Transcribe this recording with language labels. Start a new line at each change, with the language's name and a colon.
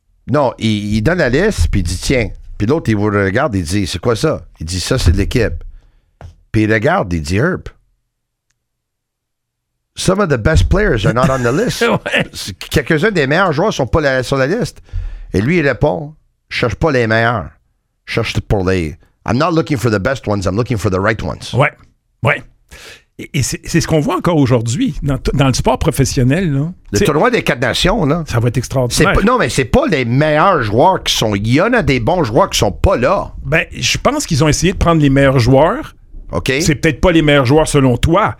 French: Non, il donne la liste, puis il dit, tiens. Puis l'autre, il vous regarde, il dit, c'est quoi ça? Il dit, ça, c'est de l'équipe. Puis il regarde, il dit, Herb,
English: some of the best players are not on the list.
French: ouais. Quelques-uns des meilleurs joueurs ne sont pas sur la liste. Et lui, il répond, cherche pas les meilleurs. Cherche pour les...
English: I'm not looking for the best ones, I'm looking for the right ones.
French: Ouais, ouais. Et c'est ce qu'on voit encore aujourd'hui dans le sport professionnel. Là. Le t'sais, tournoi des Quatre Nations. Là, ça va être extraordinaire. C'est pas, non, mais c'est pas les meilleurs joueurs qui sont... Il y en a des bons joueurs qui sont pas là. Ben, je pense qu'ils ont essayé de prendre les meilleurs joueurs. OK. C'est peut-être pas les meilleurs joueurs selon toi.